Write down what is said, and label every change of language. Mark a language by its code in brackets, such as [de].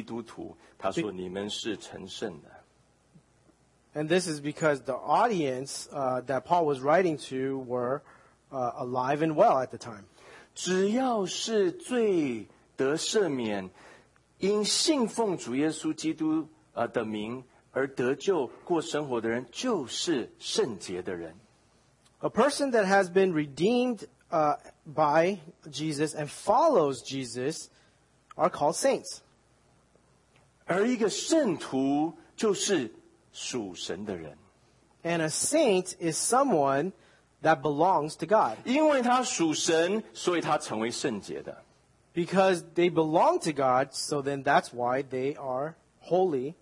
[zh] 因为哥林多前书保罗写的对象是活生生的基督徒，他说你们是成圣的。 [en] And this is because the audience that Paul was writing to were alive and well at the time. [zh] 只要是罪得赦免 因信奉主耶稣基督的名而得救过生活的人就是圣洁的人。 [en] A person that has been redeemed by Jesus and follows Jesus are called saints. [zh] 而一个圣徒就是属神的人。 [en] And a saint is someone that belongs to God. [zh] 因为他属神，所以他成为圣洁的。 [en] Because they belong to God, so then that's why they are holy.